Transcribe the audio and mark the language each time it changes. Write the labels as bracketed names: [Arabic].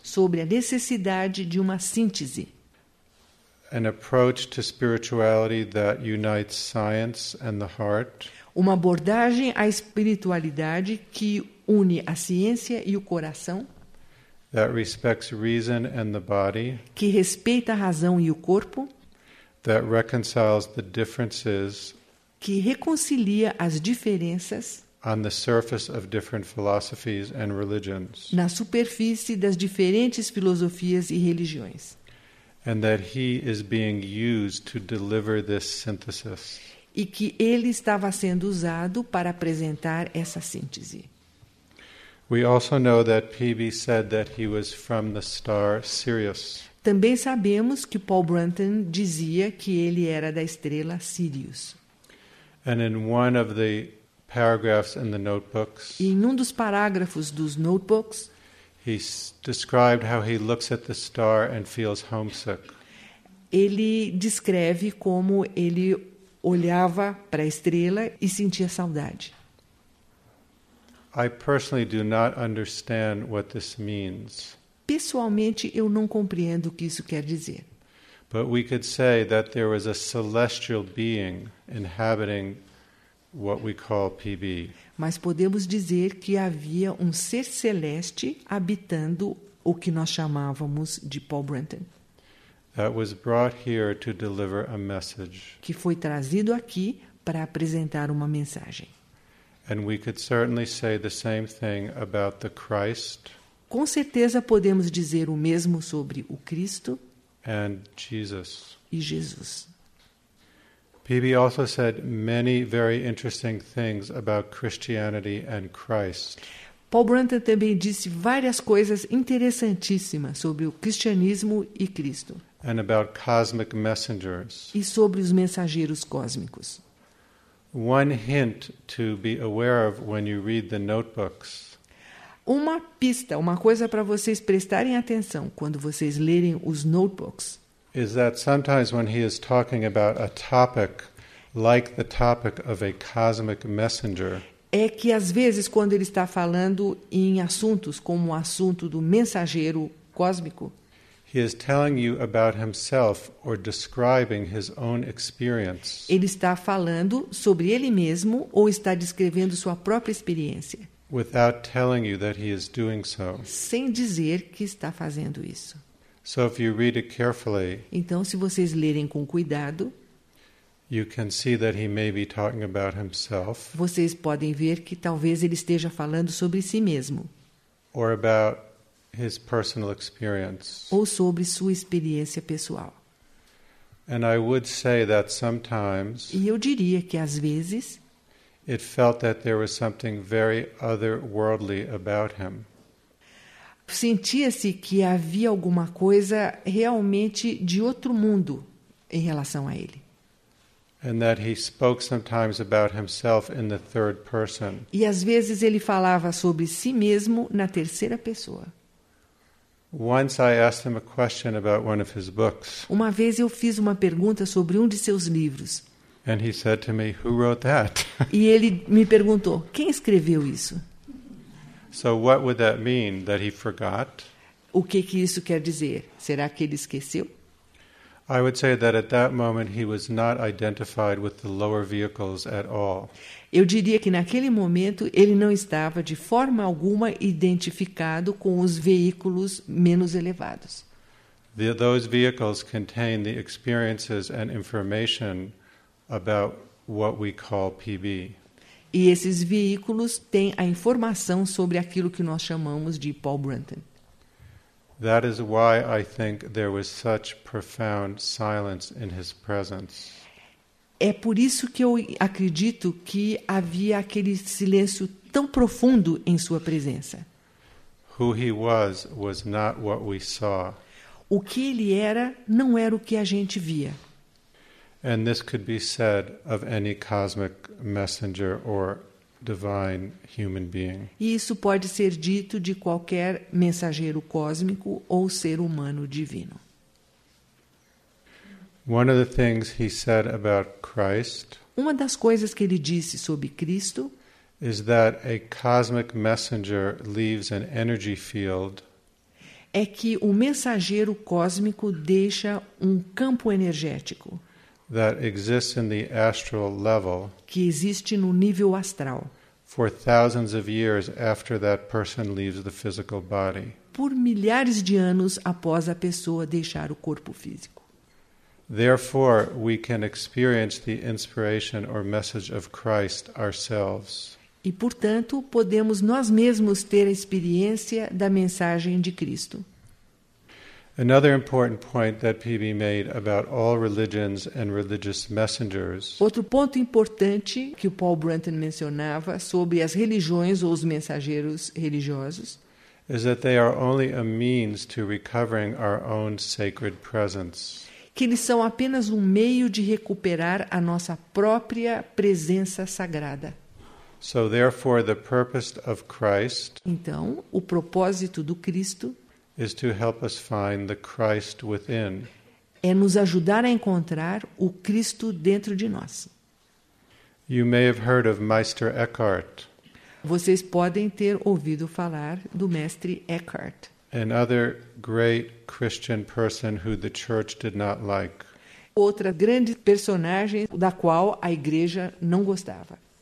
[Portuguese] sobre a necessidade de uma síntese, [English] an approach to spirituality that unites science and the heart, [Portuguese] uma abordagem à espiritualidade que une a ciência e o coração, [English] that respects reason and the body, [Portuguese] que respeita a razão e o corpo, [English] that reconciles the differences, [Portuguese] que reconcilia as diferenças [English] on the surface of different philosophies and religions, [Portuguese] na superfície das diferentes filosofias e religiões. [English] And that he is being used to deliver this synthesis. [Portuguese] E que ele estava sendo usado para apresentar essa síntese. [English] We also know that PB said that he was from the star Sirius. [Portuguese] Também sabemos que Paul Brunton dizia que ele era da estrela Sirius. [English] And in one of the paragraphs in the notebooks, [Portuguese] em um dos parágrafos dos notebooks, [English] he described how he looks at the star and feels homesick. [Portuguese] Ele descreve como ele olhava para a estrela e sentia saudade. [English] I personally do not understand what this means. [Portuguese] Pessoalmente, eu não compreendo o que isso quer dizer. [English] But we could say that there was a celestial being inhabiting what we call PB. [Portuguese] Mas podemos dizer que havia um ser celeste habitando o que nós chamávamos de Paul Branton. [English] That was brought here to deliver a message. [Portuguese] Que foi trazido aqui para apresentar uma mensagem. [English] And we could certainly say the same thing about the Christ. [Portuguese] Com certeza podemos dizer o mesmo sobre o Cristo. [English] And Jesus. [Portuguese] E Jesus. [English] PB also said many very interesting things about Christianity and Christ. [Portuguese] Paul Branton também disse várias coisas interessantíssimas sobre o cristianismo e Cristo. [English] And about cosmic messengers. [Portuguese] E sobre os mensageiros cósmicos. [English] One hint to be aware of when you read the notebooks. [Portuguese] Uma pista, uma coisa para vocês prestarem atenção quando vocês lerem os notebooks. [English] Is that sometimes when he is talking about a topic like the topic of a cosmic messenger? [Portuguese] É que às vezes quando ele está falando em assuntos como o assunto do mensageiro cósmico, [English] he is telling you about himself or describing his own experience. [Portuguese] Ele está falando sobre ele mesmo ou está descrevendo sua própria experiência. [English] Without telling you that he is doing so. [Portuguese] Sem dizer que está fazendo isso. [English] So if you read it carefully, [Portuguese] então, se vocês lerem com cuidado, [English] you can see that he may be talking about himself, [Portuguese] vocês podem ver que talvez ele esteja falando sobre si mesmo, [English] or about his personal experience. [Portuguese] Ou sobre sua experiência pessoal. [English] And I would say that sometimes, [Portuguese] e eu diria que às vezes, [English] it felt that there was something very otherworldly about him. [Portuguese] Sentia-se que havia alguma coisa realmente de outro mundo em relação a ele. [English] And that he spoke sometimes about himself in the third person. [Portuguese] E às vezes ele falava sobre si mesmo na terceira pessoa. [English] Once I asked him a question about one of his books. [Portuguese] Uma vez eu fiz uma pergunta sobre um de seus livros. [English] And he said to me, "Who wrote that?" [Portuguese] E ele me perguntou, quem escreveu isso? [English] So what would that mean, that he forgot? [Portuguese] O que que isso quer dizer? Será que ele esqueceu? [English] I would say that at that moment he was not identified with the lower vehicles at all. [Portuguese] Eu diria que naquele momento ele não estava de forma alguma identificado com os veículos menos elevados. [English] Those vehicles contain the experiences and information about what we call PB. [Portuguese] E esses veículos têm a informação sobre aquilo que nós chamamos de Paul Branton. [English] That is why I think there was such profound silence in his presence. [Portuguese] É por isso que eu acredito que havia aquele silêncio tão profundo em sua presença. [English] Who he was not what we saw. [Portuguese] O que ele era não era o que a gente via. [English] And this could be said of any cosmic messenger or divine human being. [Portuguese] E isso pode ser dito de qualquer mensageiro cósmico ou ser humano divino. [English] One of the things he said about Christ. [Portuguese] Uma das coisas que ele disse sobre Cristo [English] is that a cosmic messenger leaves an energy field. [Portuguese] É que o mensageiro cósmico deixa um campo energético. [English] That exists in the astral level. [Portuguese] Que existe no nível astral. [English] For thousands of years after that person leaves the physical body. [Portuguese] Por milhares de anos após a pessoa deixar o corpo físico. [English] Therefore, we can experience the inspiration or message of Christ ourselves. [Portuguese] E portanto, podemos nós mesmos ter a experiência da mensagem de Cristo. [English] Another important point that PB made about all religions and religious messengers. [Portuguese] Outro ponto importante que o Paul Branton mencionava sobre as religiões ou os mensageiros religiosos [English] is that they are only a means to recovering our own sacred presence. [Portuguese] Que eles são apenas um meio de recuperar a nossa própria presença sagrada. [English] So therefore the purpose of Christ. [Portuguese] Então, o propósito do Cristo [English] is to help us find the Christ within. [Portuguese] É nos ajudar a encontrar o Cristo dentro de nós. [English] You may have heard of Meister Eckhart. [Portuguese] Vocês podem ter ouvido falar do Mestre Eckhart. [English] Another great Christian person who the church did not like. [Portuguese] Outra grande personagem da qual a igreja não gostava.